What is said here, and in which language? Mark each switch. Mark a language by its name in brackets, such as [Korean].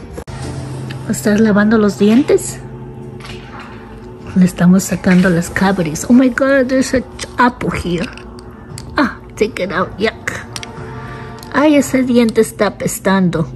[Spanish] Okay. ¿Estás lavando los dientes? Le estamos sacando las cavities. [English] Oh my God, there's a apple here. Ah, take it out, yuck. [Spanish] Ay, ese diente está apestando.